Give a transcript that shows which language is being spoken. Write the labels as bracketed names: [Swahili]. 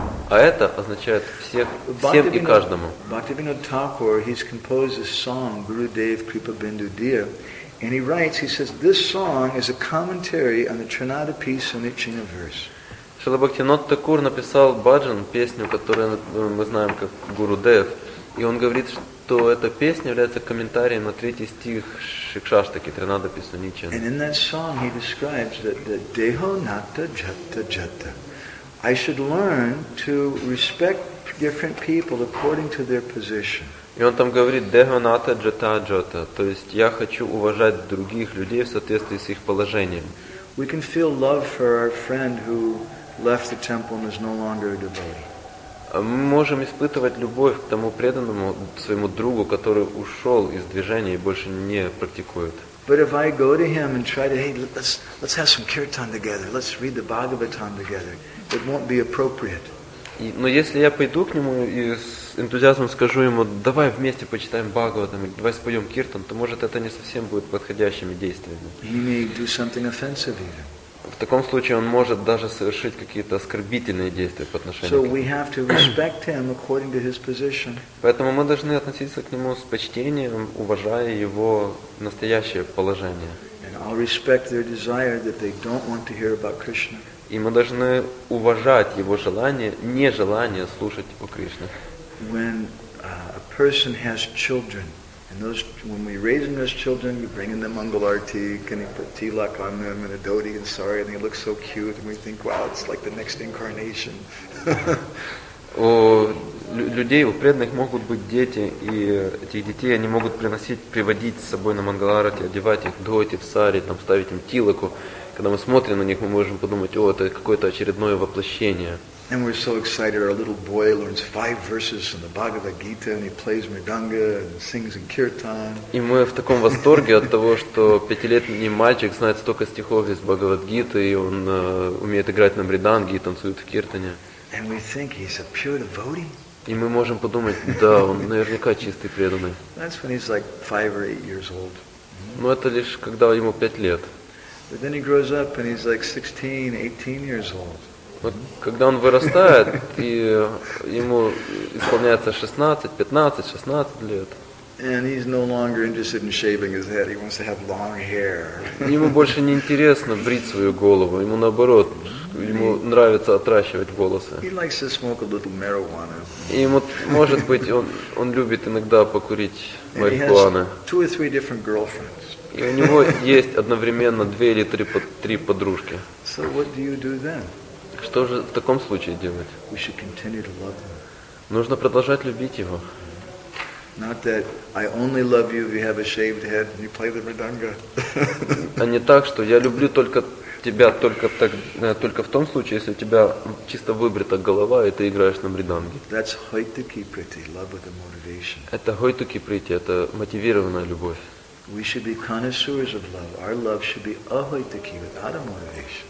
[Russian] А это означает всех, всем и каждому. [English] Bhaktivinoda Thakur, he's composed a song, Guru Dev Kripa Bindu Diya, and he writes, he says, this song is a commentary on the Trinada piece on each universe. [Russian] Шрила Бхактивинода Такур написал Баджан, песню, которую мы знаем как Гуру Дев, и он говорит, что эта песня является комментарием на третий стих Шикшаштаки, Тринада Писаничен. [English] And in that song he describes that [Bangla] Deho Natta Jatta Jatta. [English] I should learn to respect different people according to their position. [Russian] И он там говорит [Bangla] Deho Natta Jatta Jatta, [Russian] то есть я хочу уважать других людей в соответствии с их положением. [English] We can feel love for our friend who left the temple and is no longer a devotee. [Russian] Мы можем испытывать любовь к тому преданному своему другу, который ушел из движения и больше не практикует. [English] But if I go to him and try to, hey, let's have some kirtan together, let's read the Bhagavatam together, it won't be appropriate. [Russian] Но если я пойду к нему и с энтузиазмом скажу ему, давай вместе почитаем Бхагаватам, давай споем киртан, то может это не совсем будет подходящими действиями. [English] He may do something offensive even. [Russian] В таком случае он может даже совершить какие-то оскорбительные действия по отношению so к нему. [English] We have to respect him according to his position. [Russian] Поэтому мы должны относиться к нему с почтением, уважая его настоящее положение. [English] And I'll respect their desire that they don't want to hear about Krishna. [Russian] И мы должны уважать его желание, нежелание слушать о Кришне. [English] When a person has children, and those, when we raise those children, you bring in the mangal arti, and you put tilak on them, and a dhoti and sari, and they look so cute, and we think, wow, it's like the next incarnation. [Russian] У людей, у преданных могут быть дети, и этих детей они могут приносить, приводить с собой на мангал арти, одевать их дхоти в сари, там ставить им тилаку. Когда мы смотрим на них, мы можем подумать, о, это какое-то очередное воплощение. [English] And we're so excited, our little boy learns 5 verses from the Bhagavad Gita, and he plays mridanga, and sings in kirtan. [Russian] И мы в таком восторге от того, что 5-летний мальчик знает столько стихов из Бхагавад Гиты, и он умеет играть на мриданге и танцует в киртане. [English] And we think he's a pure devotee. [Russian] И мы можем подумать, да, он наверняка чистый преданный. [English] That's when he's like 5 or 8 years old. [Russian] Но это лишь когда ему 5 лет. [English] But then he grows up and he's like 16, 18 years old. [Russian] Вот когда он вырастает, и ему исполняется 16 лет. [English] And he's no longer interested in shaving his head. He wants to have long hair. [Russian] Ему больше не интересно брить свою голову. Ему наоборот, ему нравится отращивать волосы. [English] He likes to smoke a little marijuana. [Russian] И ему, может быть, он любит иногда покурить марихуаны. [English] Two or three different girlfriends. [Russian] И у него есть одновременно две или три подружки. [English] So what do you do then? [Russian] Что же в таком случае делать? [English] We should continue to love him. [Russian] Нужно продолжать любить его. [English] Not that I only love you if you have a shaved head and you play the mridanga. [Russian] А не так, что я люблю только тебя только в том случае, если у тебя чисто выбрита голова и ты играешь на мриданге. [English] That's hoituki priti, love with a motivation. [Russian] Это hoituki priti, это мотивированная любовь. [English] We should be connoisseurs of love. Our love should be ahoituki, without a motivation.